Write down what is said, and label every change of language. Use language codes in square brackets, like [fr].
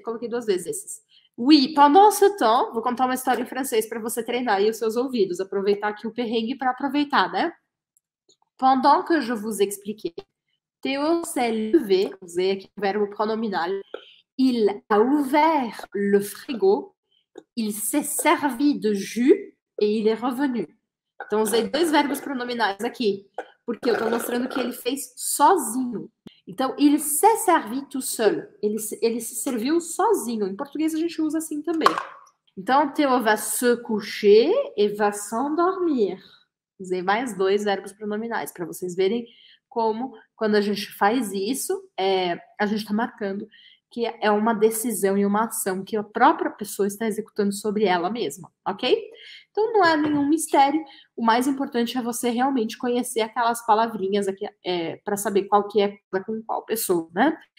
[pt] Coloquei duas vezes esses. [fr] Oui, pendant ce temps, [pt] vou contar uma história em francês para você treinar aí os seus ouvidos. Aproveitar aqui o perrengue para aproveitar, né? [fr] Pendant que je vous expliquais, Théo s'est levé, [pt] usei aqui o verbo pronominal. [fr] Il a ouvert le frigo. Il s'est servi de jus et il est revenu. [pt] Então, usei dois verbos pronominais aqui, porque eu estou mostrando que ele fez sozinho. [fr] Então, il s'est servi tout seul. [pt] Ele se serviu sozinho. Em português, a gente usa assim também. [fr] Então, Théo va se coucher et va s'endormir. [pt] Usei mais dois verbos pronominais, para vocês verem como, quando a gente faz isso, a gente está marcando. Que é uma decisão e uma ação que a própria pessoa está executando sobre ela mesma, ok? Então não é nenhum mistério. O mais importante é você realmente conhecer aquelas palavrinhas aqui, para saber qual que é com qual pessoa, né?